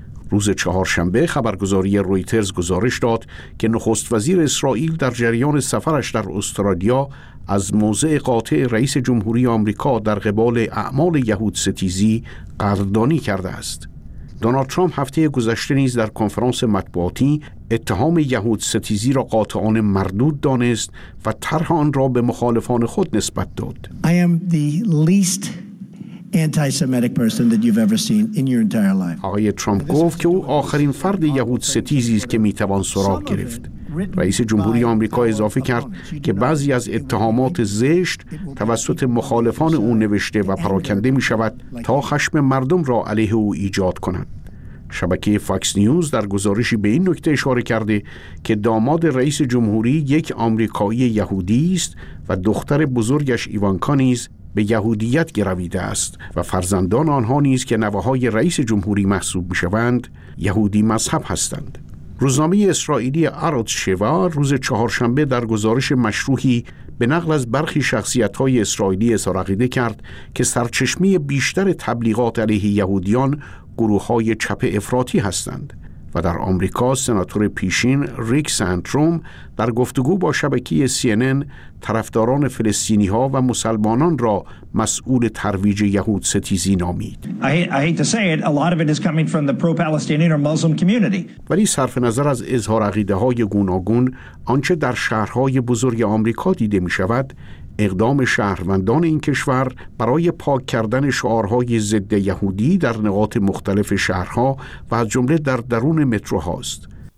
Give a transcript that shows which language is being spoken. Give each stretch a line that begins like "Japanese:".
Persian: روز چهارشنبه خبرگزاری رویترز گزارش داد که نخست وزیر اسرائیل در جریان سفرش در استرالیا از موضع قاطع رئیس جمهوری آمریکا در قبال اعمال یهود ستیزی قدردانی کرده است. دونالد ترامپ هفته گذشته نیز در کنفرانس مطبوعاتی اتهام یهود ستیزی را قاطعانه مردود دانست و طرح آن را به مخالفان خود نسبت داد.
English: I am the least anti-Semitic person that you've ever seen in your entire life.
Persian: آقای ترامپ گفت که او آخرین فرد یهود ستیزی است که میتوان سراغ گرفت. رئیس جمهوری آمریکا اضافه کرد که بعضی از اتهامات زشت توسط مخالفان او نوشته و پراکنده می شود تا خشم مردم را علیه او ایجاد کند. شبکه فاکس نیوز در گزارشی به این نکته اشاره کرده که داماد رئیس جمهوری یک آمریکایی یهودی است و دختر بزرگش ایوانکا نیز به یهودیت گرویده است و فرزندان آنها نیز که نوه‌های رئیس جمهوری محسوب می شوند یهودی مذهب هستند. روزنامه اسرائیلی آرت شوا روز چهارشنبه در گزارش مشروحی به نقل از برخی شخصیت‌های اسرائیلی سرقیده کرد که سرچشمه بیشتر تبلیغات علیه یهودیان گروه‌های چپ افراطی هستند و در آمریکا سناتور پیشین ریک سنتروم در گفتگو با شبکه CNN طرفداران فلسطینی‌ها و مسلمانان را مسئول ترویج یهود ستیزی نامید.
English: I hate to say it, a lot of it is coming from the pro-Palestinian or Muslim community.
Persian: ولی صرف نظر از اظهار عقیده‌های گوناگون، آنچه در شهرهای بزرگ آمریکا دیده می‌شود، اقدام شهروندان این کشور برای پاک کردن شعارهای ضد یهودی در نقاط مختلف شهرها و از جمله در درون متروهاست.